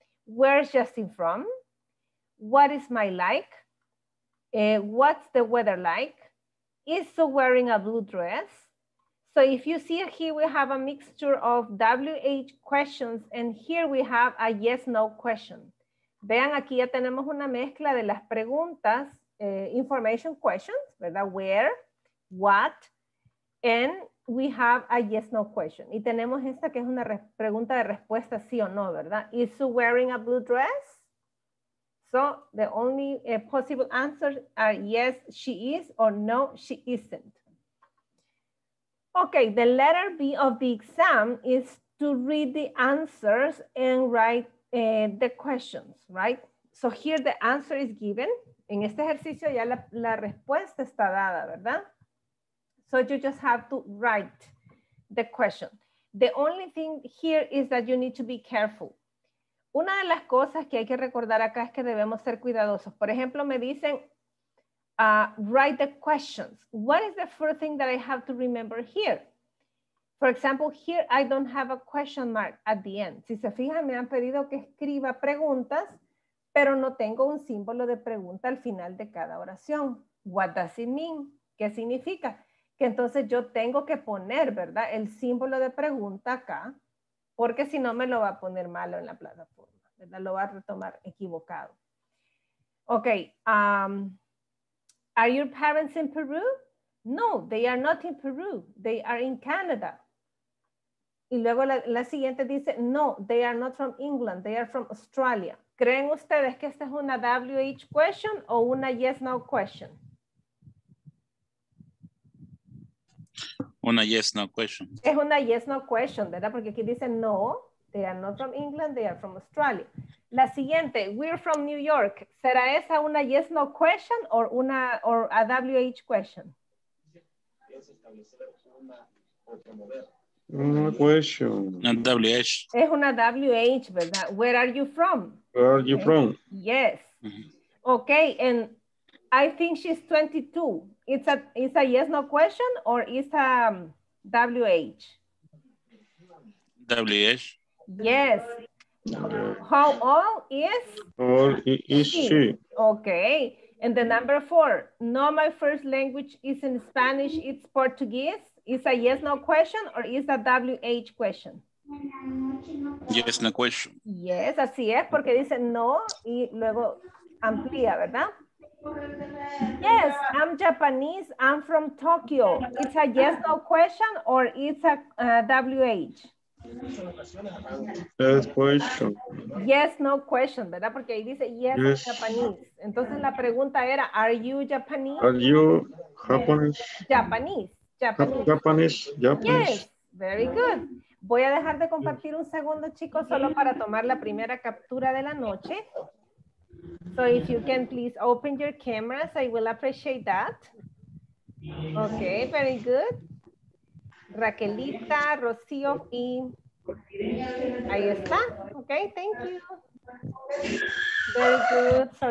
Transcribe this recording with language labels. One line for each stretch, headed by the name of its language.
English: Where's Justin from? What is my like? What's the weather like? Is Sue wearing a blue dress? So if you see here, we have a mixture of WH questions and here we have a yes, no question.
Spanish: Vean, aquí ya tenemos una mezcla de las preguntas,
English: information questions,
Spanish: ¿verdad?
English: Where, what, and we have a yes, no question.
Spanish: Y tenemos esta que es una pregunta de respuesta sí o no, ¿verdad?
English: Is she wearing a blue dress? So the only possible answers are yes, she is, or no, she isn't. Okay, the letter B of the exam is to read the answers and write the questions, right? So here the answer is given.
Spanish: En este ejercicio ya la respuesta está dada, ¿verdad?
English: So you just have to write the question. The only thing here is that you need to be careful.
Spanish: Una de las cosas que hay que recordar acá es que debemos ser cuidadosos. Por ejemplo, me dicen,
English: write the questions. What is the first thing that I have to remember here? For example, here I don't have a question mark at the end.
Spanish: Si se fijan, me han pedido que escriba preguntas, pero no tengo un símbolo de pregunta al final de cada oración.
English: What does it mean?
Spanish: ¿Qué significa? Que entonces yo tengo que poner, ¿verdad? El símbolo de pregunta acá, porque si no me lo va a poner malo en la plataforma, ¿verdad? Lo va a retomar equivocado.
English: Ok, are your parents in Peru? No, they are not in Peru, they are in Canada.
Spanish: Y luego la siguiente dice,
English: no, they are not from England, they are from Australia.
Spanish: ¿Creen ustedes que esta es una WH question o una yes, no question? Una yes, no question. Es una yes, no question, ¿verdad? Porque aquí dicen,
English: no, they are not from England, they are from Australia.
Spanish: La siguiente,
English: we're from New York.
Spanish: ¿Será esa una yes, no question o una,
English: or a WH question?
Spanish: Una question.
English: A WH.
Spanish: Es una WH, ¿verdad?
English: Where are you from? Where are you from? Yes. Mm-hmm. Okay, and I think she's 22. It's a yes, no question or it's a WH? WH. Yes. How old is? Old is she. Okay. And the number four, no, my first language is in Spanish, it's Portuguese. It's a yes, no question or is a WH question? Yes, no question.
Spanish: Yes, así es, porque dice no y luego amplía, ¿verdad?
English: Yes, I'm Japanese. I'm from Tokyo. It's a yes, no question or it's a WH? Yes, no question. Yes, question. Yes, no question,
Spanish: ¿verdad? Porque ahí dice
English: yes, yes. Japanese.
Spanish: Entonces la pregunta era,
English: are you Japanese? Are you Japanese? Japanese. Japanese. Japanese. Japanese. Yes, very good.
Spanish: Voy a dejar de compartir un segundo, chicos, solo para tomar la primera captura de la noche.
English: So if you can please open your cameras, I will appreciate that. Okay, very good. Raquelita, Rocío y...
Spanish: Ahí está.
English: Okay, thank you. Very good.